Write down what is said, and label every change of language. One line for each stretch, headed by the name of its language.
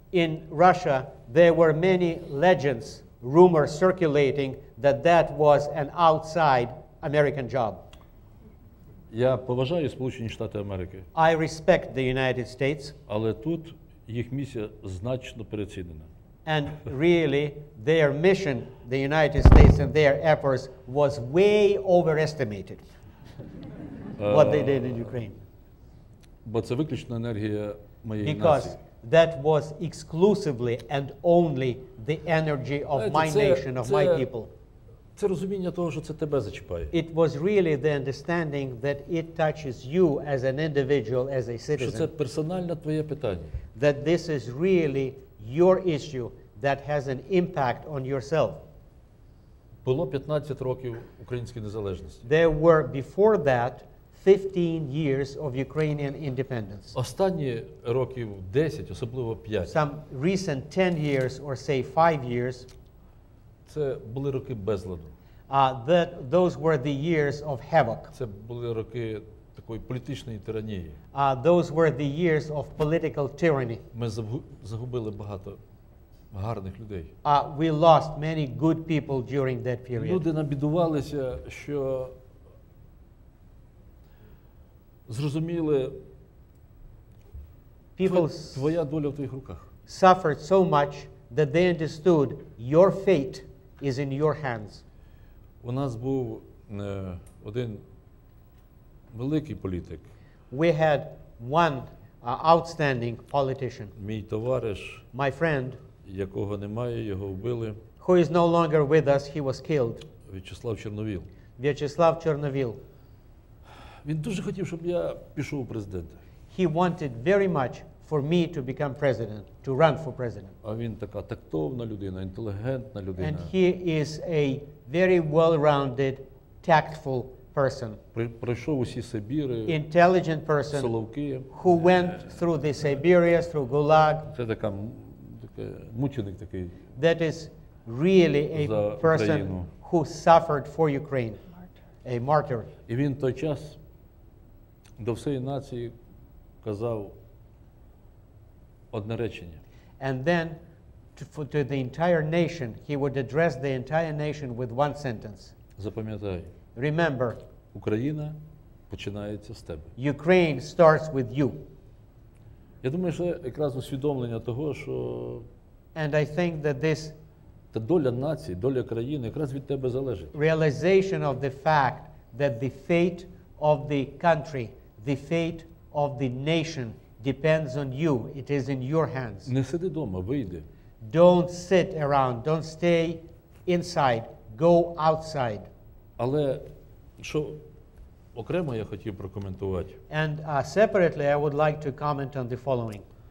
English: In Russia, there were many legends, rumors circulating that that was an outside American job.
Ukrainian: Я поважаю Сполучені Штати Америки.
English: I respect the United States.
Ukrainian: Але тут їх місія значно переоцінена.
English: And really, their mission, the United States and their efforts, was way overestimated. What they did in Ukraine.
Ukrainian: Бо це виключно енергія моєї нації.
English: Because that was exclusively and only the energy of my nation, of my people.
Ukrainian: Це розуміння того, що це тебе зачіпає.
English: It was really the understanding that it touches you as an individual, as a citizen.
Ukrainian: Що це персональне твоє питання.
English: That this is really your issue that has an impact on yourself.
Ukrainian: Було 15 років української незалежності.
English: There were before that 15 years of Ukrainian independence.
Ukrainian: Останні років 10, особливо 5.
English: Some recent 10 years or say 5 years.
Ukrainian: Це були роки безладу.
English: Those were the years of havoc.
Ukrainian: Це були роки такої політичної тиранії.
English: Those were the years of political tyranny.
Ukrainian: Ми загубили багато гарних людей.
English: We lost many good people during that period.
Ukrainian: Люди набідувалися, що зрозуміли, people твоя доля в твоїх руках.
English: Suffered so much that they understood your fate is in your hands.
Ukrainian: У нас був один великий політик.
English: We had one outstanding politician.
Ukrainian: Мій товариш,
English: my friend,
Ukrainian: якого немає, його вбили.
English: Who is no longer with us, he was killed.
Ukrainian: В'ячеслав Чорновіл. В'ячеслав Чорновіл. Він дуже хотів, щоб я пішов у президенти.
English: He wanted very much for me to become president, to run for president.
Ukrainian: А він така тактовна людина, інтелігентна людина.
English: And he is a very well-rounded, tactful person.
Ukrainian: Пройшов усі Сибіри.
English: Intelligent person.
Ukrainian: Соловки.
English: Who went through the Siberia, through Gulag.
Ukrainian: Це така мученик такий.
English: That is really a person who suffered for Ukraine. A martyr.
Ukrainian: І він той час до всієї нації казав одне речення.
English: And then to the entire nation, he would address the entire nation with one sentence.
Ukrainian: Запам'ятай.
English: Remember.
Ukrainian: Україна починається з тебе.
English: Ukraine starts with you.
Ukrainian: Я думаю, що якраз усвідомлення того, що
English: and I think that this
Ukrainian: та доля нації, доля країни якраз від тебе залежить.
English: Realization of the fact that the fate of the country, the fate of the nation depends on you. It is in your hands.
Ukrainian: Не сиди дома, вийди.
English: Don't sit around. Don't stay inside. Go outside.
Ukrainian: Але що окремо я хотів прокоментувати.
English: And separately, I would like to comment on the following.